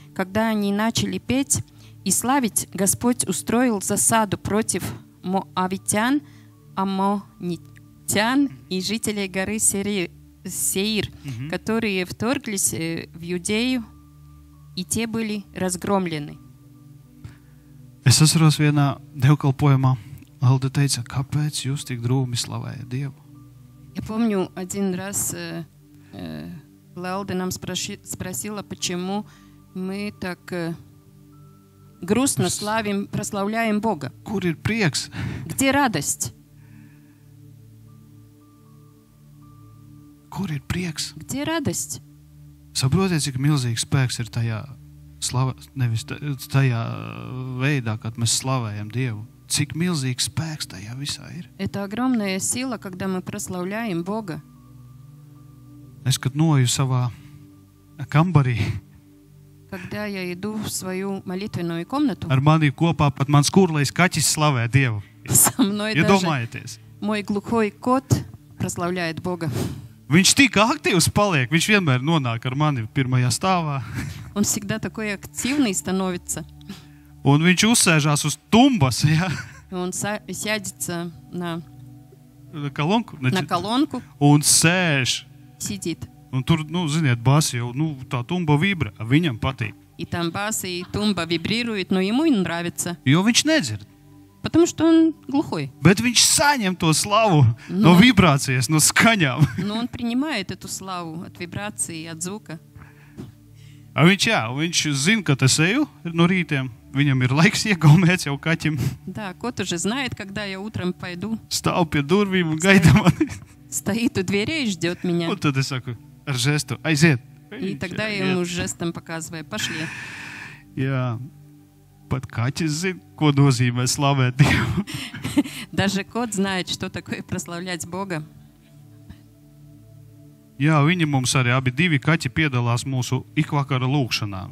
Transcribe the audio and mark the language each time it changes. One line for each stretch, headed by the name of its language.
Russian: Когда они начали петь и славить, Господь устроил засаду против моавитян, аммонитян и жителей горы Сеир, которые вторглись в Иудею и те были разгромлены.
Latvian: Es atceros vienā dievkalpojumā, Alda teica, kāpēc jūs tik drūmi slavējat Dievu?
Russian: Я помню один раз, Лалда нам спросила, почему мы так грустно славим, прославляем Бога.
Latvian: Kur ir prieks?
Russian: Где радость?
Latvian: Kur ir prieks?
Russian: Где радость?
Latvian: Saprotiet, cik milzīgs spēks ir tajā slava, nevis tajā veidā, kad mēs slavējam Dievu. Cik milzīgs spēks tajā visā ir?
Russian: Это огромная сила, когда мы прославляем Бога.
Latvian: Es kad noju savā kambarī.
Russian: Когда я иду в свою молитвенную комнату.
Latvian: Ar mani kopā pat mans kurlais kaķis slavē Dievu.
Russian: Со мной даже.
Latvian: Iedomājieties.
Russian: Мой глухой кот прославляет Бога.
Latvian: Viņš tik aktīvs paliek, viņš vienmēr nonāk ar mani pirmajā stāvā.
Russian: Он всегда такой активный становится.
Latvian: Un viņš uzsēžās uz tumbas, ja.
Russian: Он сядется на колонку. На колонку.
Latvian: Un sēž.
Russian: Сидит.
Latvian: Un tur, nu, ziniet, bāsi jau, nu, tā tumba vibra, viņam patīk.
Russian: И там басы и тумба вибрирует, но ему нравится.
Latvian: Jo viņš nedzird.
Russian: Потому что он глухой.
Latvian: Bet viņš saņem to slavu no vibrācijas, no skaņām.
Russian: Но он принимает эту славу от вибрации, от звука.
Latvian: А viņš, jā, viņš zina, ka tas eju no rītiem. Viņam ir laiks iegulmēts jau kaķim.
Russian: Да, кот уже знает, когда я утром пойду.
Latvian: Stāv pie durvīm un gaida mani.
Russian: Стоит у дверей и ждет меня.
Latvian: Un tad es saku, ar žestu, aiziet.
Russian: И тогда я ему жестом показываю, пошли.
Latvian: Jā, pat kaķis zina, ko nozīmē slavēt Dievu.
Russian: Даже кот знает, что такое прославлять Бога.
Latvian: Jā, viņi mums arī, abi divi kaķi piedalās mūsu ikvakara lūkšanā.